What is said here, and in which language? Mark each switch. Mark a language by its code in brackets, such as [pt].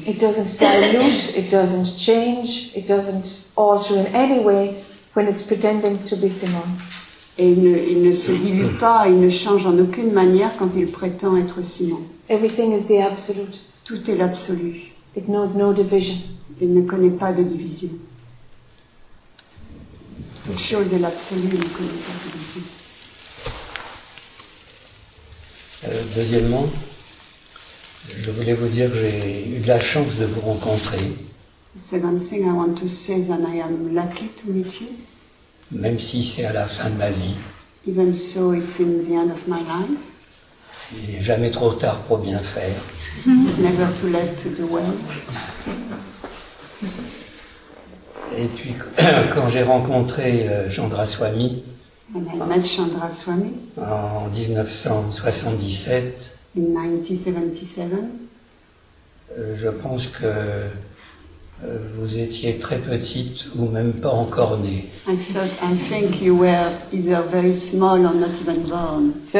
[en] It doesn't dilute, it doesn't change, it doesn't alter in any way when it's pretending to be Simon. [fr] Et il ne se dilue pas, il ne change en aucune manière quand il prétend être Simon. [en] Everything is the absolute. [fr] Tout est l'absolu. [en] It knows no division. [fr] Il ne connaît pas de division. Toute chose est l'absolu, il ne connaît pas de division. Deuxièmement, je voulais vous dire que j'ai eu de la chance de vous rencontrer. [en] Second thing I want to say is that I am lucky to meet you. [fr] Même si c'est à la fin de ma vie. [en] Even so, it's in the end of my life. [fr] Il n'est jamais trop tard pour bien faire. [en] It's never too late to do well. [fr] Et puis, quand j'ai rencontré Chandraswami, [en] and I met Chandraswami [fr] en 1977. [en] In 1977. [fr] Je pense que vous étiez très petite ou même pas encore née. [en] I think you were either very small or not even born.